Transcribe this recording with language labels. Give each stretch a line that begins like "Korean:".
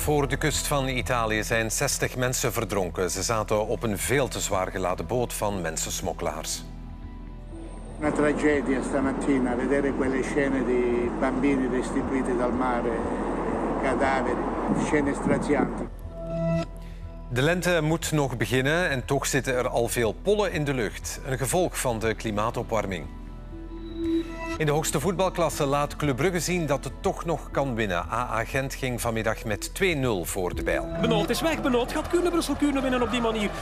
Dutch: Voor de kust van Italië zijn 60 mensen verdronken. Ze zaten op een veel te zwaar geladen boot van mensensmokkelaars. Een tragedie
Italian: stamattina. Vedere quelle scene di bambini restituiti dal mare, cadaveri, scene strazianti.
Dutch: De lente moet nog beginnen en toch zitten er al veel pollen in de lucht. Een gevolg van de klimaatopwarming. In de hoogste voetbalklasse laat Club Brugge zien dat het toch nog kan winnen. AA Gent ging vanmiddag met 2-0 voor de bijl. Benoot is weg, Benoot. Gaat Kuurne Brussel Kuurne winnen op die manier?